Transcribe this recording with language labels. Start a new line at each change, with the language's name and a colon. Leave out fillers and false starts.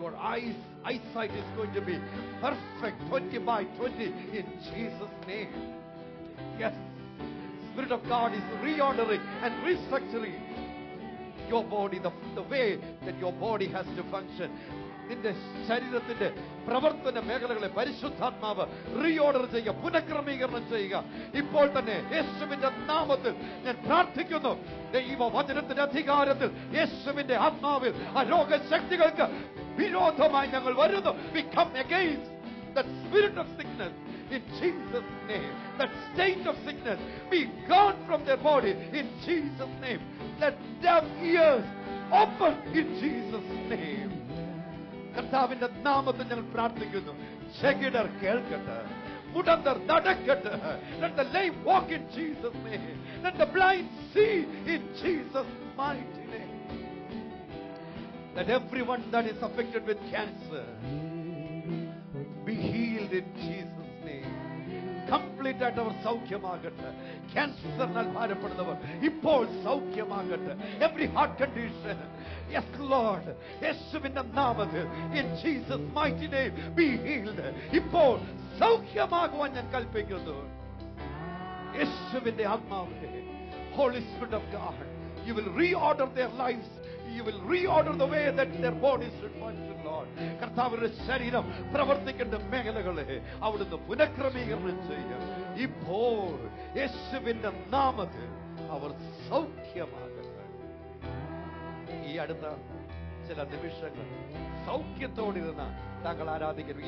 English: your eyes, eyesight is going to be perfect 20 by 20 in Jesus' name. Yes, Spirit of God is reordering and restructuring your body, the way that your body has to function.
Malayalam: നിന്റെ ശരീരത്തിന്റെ പ്രവർത്തന മേഖലകളെ പരിശുദ്ധാത്മാവ് reorder ചെയ്യുക, പുനഃക്രമീകരണം ചെയ്യുക. ഇപ്പോൾ തന്നെ യേശുവിന്റെ നാമത്തിൽ ഞാൻ പ്രാർത്ഥിക്കുന്നു, ദൈവവചനത്തിന്റെ അധികാരത്തിൽ യേശുവിന്റെ ആത്മാവിൽ ആ രോഗശക്തികൾക്ക് വിരോധമായി ഞങ്ങൾ വരുന്നു.
English: We come against that spirit of sickness in Jesus' name. That state of sickness be gone from their body in Jesus' name. Let deaf ears open in Jesus' name.
Malayalam: കർത്താവിന്റെ നാമത്തിൽ ഞങ്ങൾ പ്രാർത്ഥിക്കുന്നു, ചെകിടർ കേൾക്കട്ടെ, മുടന്തർ നടക്കട്ടെ.
English: Let the lame walk in Jesus' name. Let the blind see in Jesus' mighty name. Let everyone that is affected with cancer be healed in Jesus' name. Complete at our
Malayalam: സൗഖ്യമാകട്ടെ. ക്യാൻസറിനാൽ ഭാരപ്പെടുന്നവർ ഇപ്പോൾ സൗഖ്യമാകട്ടെ.
English: Every heart condition. Yes, Lord.
Malayalam: യേശുവിന്റെ നാമത്തിൽ,
English: in Jesus' mighty name, be healed.
Malayalam: ഇപ്പോൾ സൗഖ്യമാകുവാൻ ഞാൻ കൽപ്പിക്കുന്നു. യേശുവിന്റെ ആത്മാവേ,
English: Holy Spirit of God, you will reorder their lives. You will reorder the way that their bodies should function, Lord.
Malayalam: കർത്താവിന്റെ ശരീരം പ്രവർത്തിക്കേണ്ട മേഖലകളെ അവിടുന്ന് പുനഃക്രമീകരണം ചെയ്യുക. ഇപ്പോൾ യേശുവിന്റെ നാമത്തിൽ അവർ സൗഖ്യമാകട്ടെ. ഈ അടുത്ത ചില നിമിഷങ്ങൾ സൗഖ്യത്തോടിരുന്ന താങ്കൾ ആരാധിക്കുന്നു.